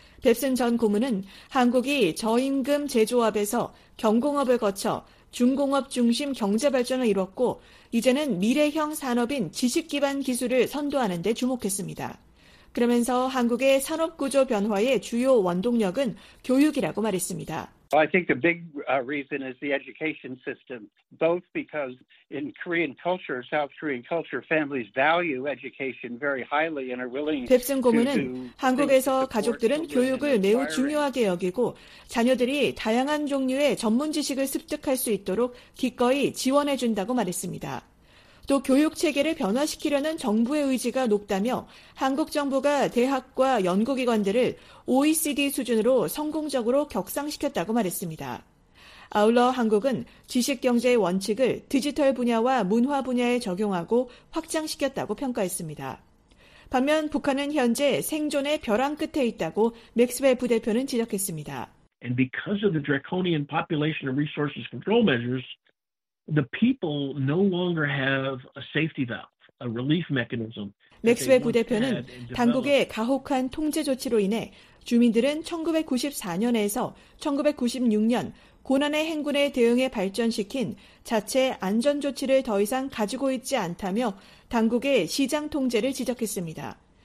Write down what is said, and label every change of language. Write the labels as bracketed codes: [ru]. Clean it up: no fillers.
[ko] 뱁슨 전 고문은 한국이 저임금 제조업에서 경공업을 거쳐 중공업 중심 경제 발전을 이뤘고 이제는 미래형 산업인 지식 기반 기술을 선도하는 데 주목했습니다. 그러면서 한국의 산업 구조 변화의 주요 원동력은 교육이라고 말했습니다. [en] I think the big reason is the education system, both because in Korean culture, South Korean culture, families value education very highly and are willing to do. [ko] 뱁슨 고문은 한국에서 가족들은 교육을 매우 중요하게 여기고 자녀들이 다양한 종류의 전문 지식을 습득할 수 있도록 기꺼이 지원해 준다고 말했습니다. 또 교육 체계를 변화시키려는 정부의 의지가 높다며 한국 정부가 대학과 연구기관들을 OECD 수준으로 성공적으로 격상시켰다고 말했습니다. 아울러 한국은 지식경제의 원칙을 디지털 분야와 문화 분야에 적용하고 확장시켰다고 평가했습니다. 반면 북한은 현재 생존의 벼랑 끝에 있다고 맥스웰 부대표는 지적했습니다. [en] And because of the draconian population and resources control measures, the people no longer have a safety valve, a relief mechanism. [ko] 맥스웰 부대표는 당국의 가혹한 통제 조치로 인해 주민들은 1994년에서 1996년 고난의 행군에 대응해 발전시킨 자체 안전 조치를 더 이상 가지고 있지 않다며 당국의 시장 통제를 지적했습니다.